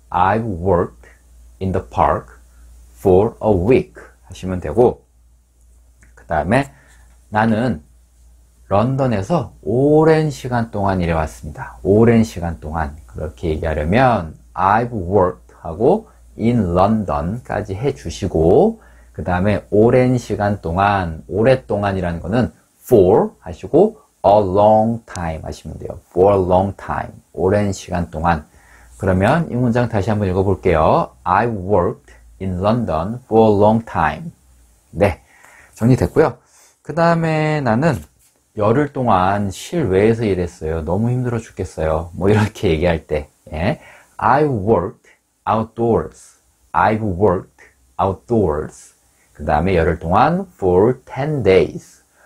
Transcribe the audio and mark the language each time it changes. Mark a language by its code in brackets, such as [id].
[en] I've worked in the park for a week [ko] 하시면 되고, 그다음에 나는 런던에서 오랜 시간 동안 일해왔습니다. 오랜 시간 동안 그렇게 얘기하려면 [en] I've worked [ko] 하고 [en] in London [ko] 까지 해주시고, 그다음에 오랜 시간 동안, 오랫동안이라는 거는 for 하시고 [en] a long time [ko] 하시면 돼요. [en] for a long time, [ko] 오랜 시간 동안. 그러면 이 문장 다시 한번 읽어볼게요. [en] I've worked in London for a long time. [ko] 네. 정리됐고요. 그 다음에 나는 열흘 동안 실외에서 일했어요. 너무 힘들어 죽겠어요. 뭐 이렇게 얘기할 때, 예. [en] I worked outdoors. I've worked outdoors. [ko] 그 다음에 열흘 동안 [en] for 10 days.